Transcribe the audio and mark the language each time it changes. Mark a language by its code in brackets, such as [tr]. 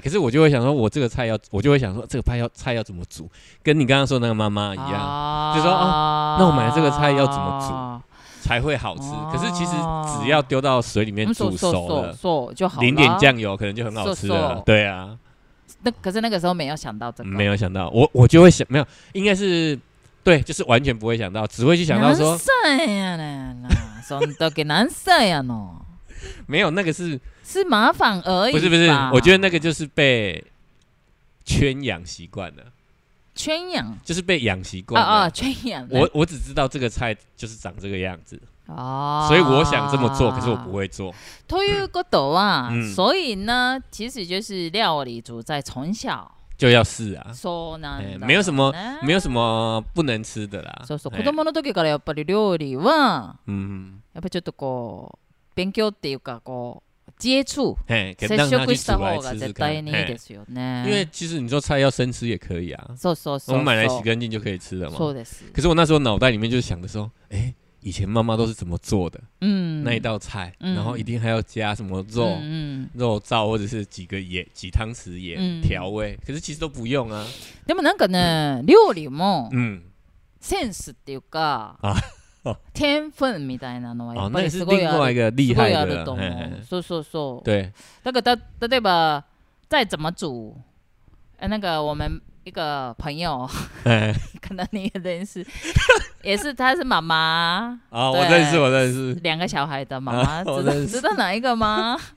[zh] 可是我就会想说我这个菜要，我就会想说这个菜要怎么煮，跟你刚刚说那个妈妈一样、就说、那我买了这个菜要怎么煮才会好吃、可是其实只要丢到水里面煮熟了、就好了，淋点酱油可能就很好吃了。对啊，那可是那个时候没有想到这个，没有想到，我就会想，没有，应该是对，就是完全不会想到，只会去想到说 [ja] 何歳やねんな、その時何歳やの。 [zh] 没有，那个是麻烦而已吧。不是不是，我觉得那个就是被圈养习惯了。圈养就是被养习惯了。圈养。我只知道这个菜就是长这个样子。所以我想这么做，可是我不会做。 [ja] ということは、 [zh] 所以呢，其实就是料理主在从小。就要试啊， [ja] そうなんだ、 [zh] 没有什么、没有什么不能吃的啦。 [ja] そうそう、子供の時からやっぱり料理は、やっぱりちょっとこう勉強っていうかこう接触、接触した方が絶対にいいですよね。 [zh] 因为其实你说菜要生吃也可以啊。 [ja] そうそうそう。 [zh] 我们买来洗干净就可以吃了嘛。 [ja] そうです。 [zh] 可是我那时候脑袋里面就想着说，以前妈妈都是怎么做的？那一道菜，然后一定还要加什么肉，肉燥或者是几个盐、几汤匙盐调味。可是其实都不用啊。 [ja] でもなんかね、料理もセンスっていうか、天分みたいなのはやっぱりすごいある。 [zh] 那是另外一个厉害的。 [ja] そうそうそう。 [zh] 对。 [ja] だから例えば [zh] 再怎么煮，那个我们一个朋友，可能你也认识。也是，她是妈妈啊，我认识，我认识两个小孩的妈妈，知道哪一个吗？